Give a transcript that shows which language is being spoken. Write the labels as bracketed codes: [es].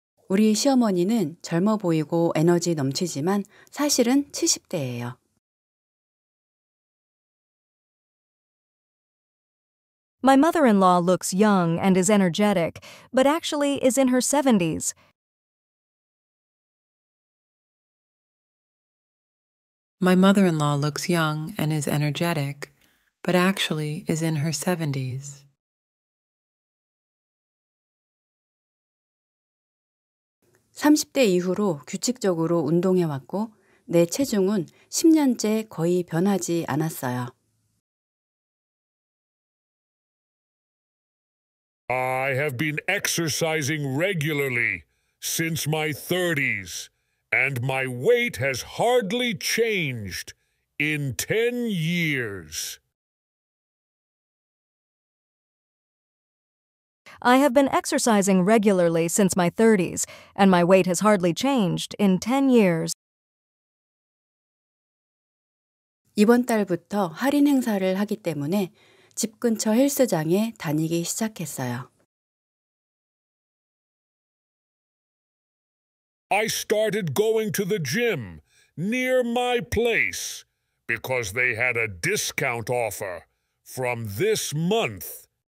[en] Our [ko] 시어머니는 젊어 보이고 에너지 넘치지만 사실은 70대예요. [en] My mother-in-law looks young and is energetic, but actually is in her 70s. My mother-in-law looks young and is energetic, but actually is in her 70s. [ko] 30대 이후로 규칙적으로 운동해왔고, 내 체중은 10년째 거의 변하지 않았어요. [en] I have been exercising regularly since my 30s, and my weight has hardly changed in 10 years. I have been exercising regularly since my 30s, and my weight has hardly changed in 10 years. [ko] 이번 달부터 할인 행사를 하기 때문에 집 근처 헬스장에 다니기 시작했어요. [en] I started going to the gym near my place because they had a discount offer from this month.